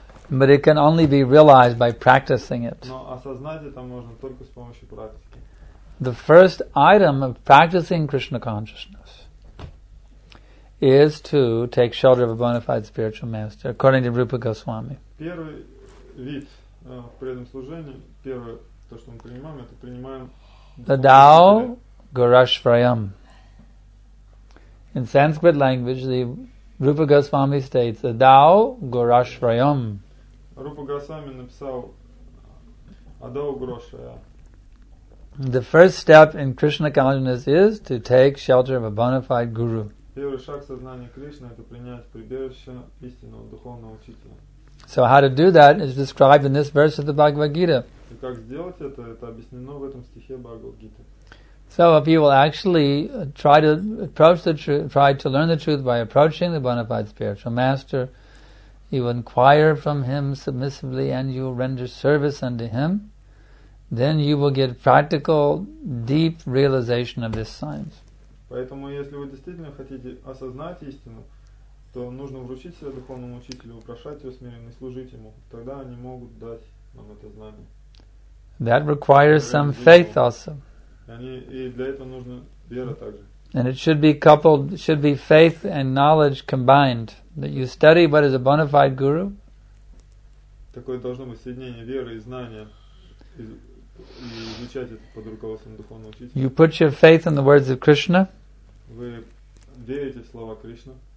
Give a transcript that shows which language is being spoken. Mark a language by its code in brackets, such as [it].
[en] But it can only be realized by practicing it. [ru] Но осознать это можно только с помощью практики. [en] The first item of practicing Krishna consciousness is to take shelter of a bona fide spiritual master, according to Rupa Goswami. [ru] Первый вид преданного служения, первое то, что мы принимаем, это принимаем [en] the Dao Gurushvrayam. In Sanskrit language, the Rupa Goswami states the Dao Gurushvrayam. [ru] Rupa Goswami написал Adao Gurushvrayam. [en] The first step in Krishna consciousness is to take shelter of a bona fide guru. [ru] Первый шаг сознания Кришны — это принять прибежище истинного духовного учителя. [en] So how to do that is described in this verse of the Bhagavad Gita. [ru] И как сделать это? Это объяснено в этом стихе Бхагавад Гиты. [en] So if you will actually try to learn the truth by approaching the bona fide spiritual master, you inquire from him submissively and you render service unto him, then you will get practical, deep realization of this science. [ru] Поэтому, если вы действительно хотите осознать истину, то нужно вручить себя духовному учителю, упрошать его смиренно и служить ему. Тогда они могут дать нам это знание. [en] That requires some faith also. [ru] И для этого нужна вера также. [en] And it should be coupled, should be faith and knowledge combined. That you study what is a bona fide guru. [ru] Такое должно быть соединение веры и знания. [en] You put your faith in the words of Krishna. [ru] Вы верите в слова Кришна.